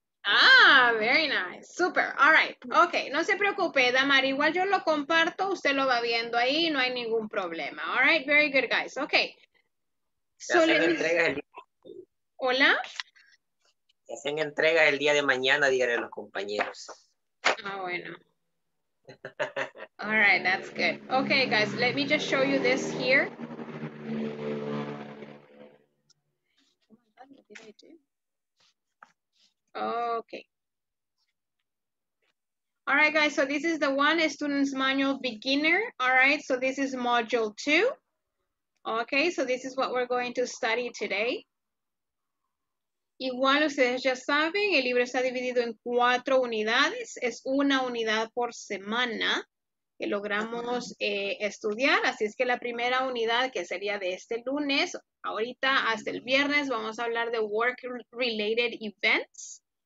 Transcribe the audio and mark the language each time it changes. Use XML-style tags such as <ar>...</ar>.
<en>Ah, very nice, super, all right, ok,</en> <es>no se preocupe, Damari, igual yo lo comparto, usted lo va viendo ahí, no hay ningún problema,</es> <en>all right, very good, guys, ok.</en> <es>So ya hacen entrega el... ¿Hola? Ya hacen entrega el día de mañana, díganle a los compañeros.</es> <en>Ah, bueno. All right, that's good. Ok, guys, let me just show you this here. Okay. All right, guys, so this is the one, Students Manual Beginner. All right, so this is Module 2. Okay, so this is what we're going to study today.</en> <es>Igual ustedes ya saben, el libro está dividido en 4 unidades. Es una unidad por semana que logramos estudiar. Así es que la primera unidad, que sería de este lunes, ahorita hasta el viernes, vamos a hablar de Work-Related Events.</es>